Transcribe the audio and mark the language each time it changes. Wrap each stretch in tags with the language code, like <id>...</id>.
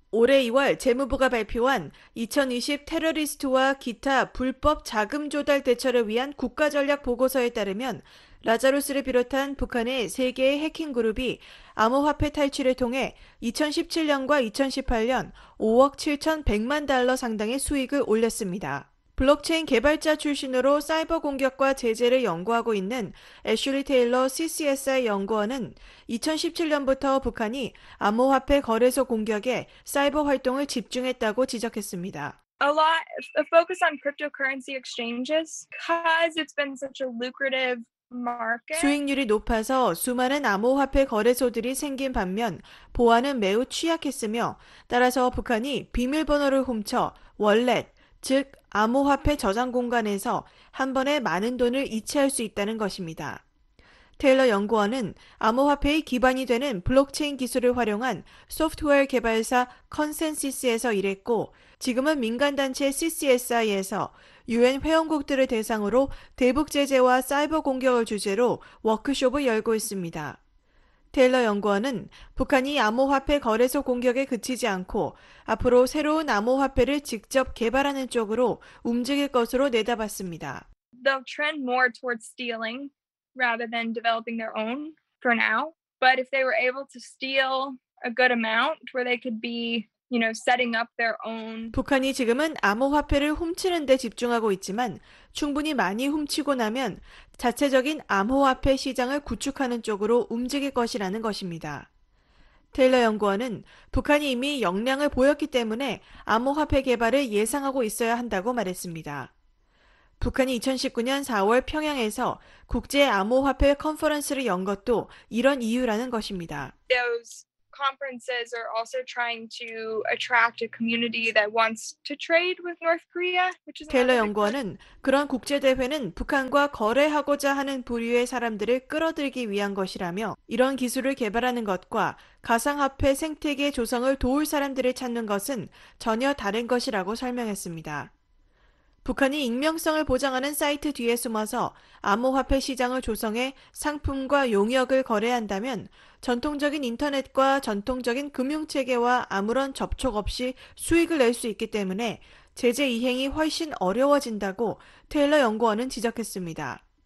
<ko>올해 2월 재무부가 발표한 2020 테러리스트와 기타 불법 자금 조달 대처를 위한 국가전략 보고서에 따르면 라자루스를 비롯한 북한의 3개의 해킹 그룹이 암호화폐 탈취를 통해 2017년과 2018년 5억 7,100만 달러 상당의 수익을 올렸습니다. 블록체인 개발자 출신으로 사이버 공격과 제재를 연구하고 있는 애슐리 테일러 CCSI 연구원은 2017년부터 북한이 암호화폐 거래소 공격에 사이버 활동을 집중했다고 지적했습니다.</ko> <en>A lot of focus on cryptocurrency exchanges because it's been such a lucrative</en> <ko>수익률이 높아서 수많은 암호화폐 거래소들이 생긴 반면 보안은 매우 취약했으며 따라서 북한이 비밀번호를 훔쳐 월렛, 즉 암호화폐 저장 공간에서 한 번에 많은 돈을 이체할 수 있다는 것입니다. 테일러 연구원은 암호화폐의 기반이 되는 블록체인 기술을 활용한 소프트웨어 개발사 컨센시스에서 일했고 지금은 민간단체 CCSI에서 UN 회원국들을 대상으로 대북 제재와 사이버 공격을 주제로 워크숍을 열고 있습니다. 테일러 연구원은 북한이 암호화폐 거래소 공격에 그치지 않고 앞으로 새로운 암호화폐를 직접 개발하는 쪽으로 움직일 것으로 내다봤습니다.</ko> <en>They'll trend more towards stealing rather than developing their own for now. But if they were able to steal a good amount where they could be, you know, setting up their own.</en> <ko>북한이 지금은 암호화폐를 훔치는 데 집중하고 있지만 충분히 많이 훔치고 나면 자체적인 암호화폐 시장을 구축하는 쪽으로 움직일 것이라는 것입니다. 테일러 연구원은 북한이 이미 역량을 보였기 때문에 암호화폐 개발을 예상하고 있어야 한다고 말했습니다. 북한이 2019년 4월 평양에서 국제 암호화폐 컨퍼런스를 연 것도 이런 이유라는 것입니다.</ko> <en>Those conferences are also trying to attract a community that wants to trade with North Korea, which is</en> <ko>테일러 연구원은 그런 국제 대회는 북한과 거래하고자 하는 부류의 사람들을 끌어들이기 위한 것이라며 이런 기술을 개발하는 것과 가상화폐 생태계 조성을 도울 사람들을 찾는 것은 전혀 다른 것이라고 설명했습니다. 북한이 익명성을 보장하는 사이트 뒤에 숨어서 암호화폐 시장을 조성해 상품과 용역을 거래한다면 전통적인 인터넷과 전통적인 금융체계와 아무런 접촉 없이 수익을 낼 수 있기 때문에 제재 이행이 훨씬 어려워진다고 테일러 연구원은 지적했습니다.</ko>